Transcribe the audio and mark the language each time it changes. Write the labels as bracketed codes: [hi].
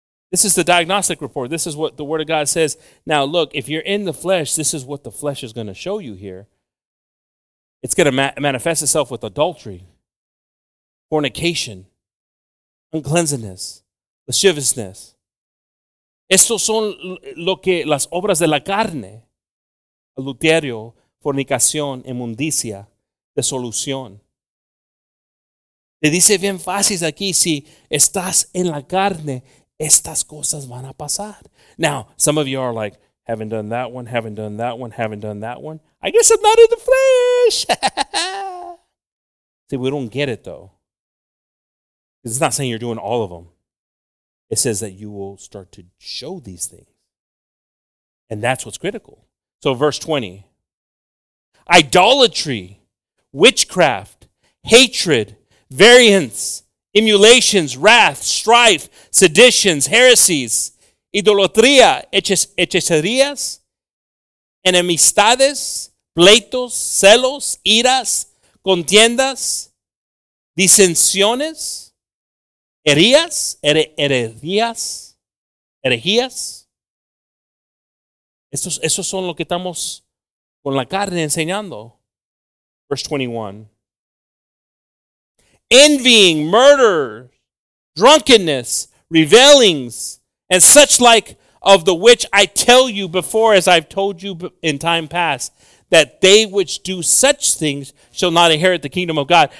[en] This is the diagnostic report. This is what the Word of God says. Now, look, if you're in the flesh, this is what the flesh is going to show you here. It's going to manifest itself with adultery, fornication, uncleanness, lasciviousness. [es] Estos son lo que las obras de la carne, adulterio, fornicación, inmundicia, desolución. Te dice bien fácil aquí, si estás en la carne, estas cosas van a pasar. [en] Now, some of you are like, haven't done that one, haven't done that one, haven't done that one. I guess I'm not in the flesh. See, we don't get it though. It's not saying you're doing all of them. It says that you will start to show these things. And that's what's critical. So verse 20. Idolatry, witchcraft, hatred, variance, emulations, wrath, strife, seditions, heresies, [es] idolatría, hechicerías, enemistades, pleitos, celos, iras, contiendas, disensiones, herejías. Esos son lo que estamos con la carne enseñando. [en] Verse 21. Envying, murder, drunkenness, revelings, and such like, of the which I tell you before, as I've told you in time past, that they which do such things shall not inherit the kingdom of God.